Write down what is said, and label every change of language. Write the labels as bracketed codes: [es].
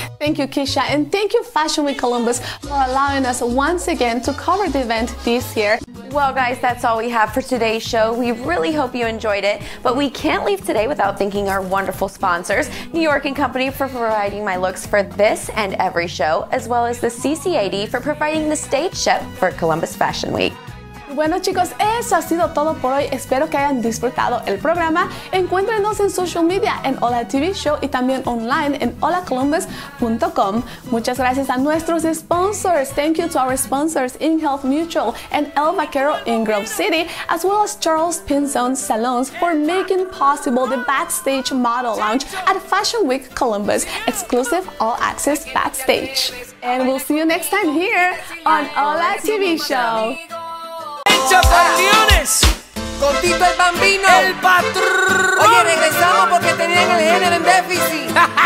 [en] Thank you, Keisha, and thank you, Fashion Week Columbus, for allowing us once again to cover the event this year. Well, guys, that's all we have for today's show. We really hope you enjoyed it, but we can't leave today without thanking our wonderful sponsors, New York & Company, for providing my looks for this and every show, as well as the CCAD for providing the stage show for Columbus Fashion Week. [es] Bueno chicos, eso ha sido todo por hoy. Espero que hayan disfrutado el programa. Encuéntrenos en social media en Ola TV Show y también online en holacolumbus.com. Muchas gracias a nuestros sponsors. [en] Thank you to our sponsors InHealth Mutual and El Vaquero in Grove City, as well as Charles Pinzon Salons for making possible the backstage model lounge at Fashion Week Columbus, exclusive all access backstage. And we'll see you next time here on Ola TV Show. [es] Campeones. Con Tito el Bambino. El patrón. Oye, regresamos porque tenían el género en déficit.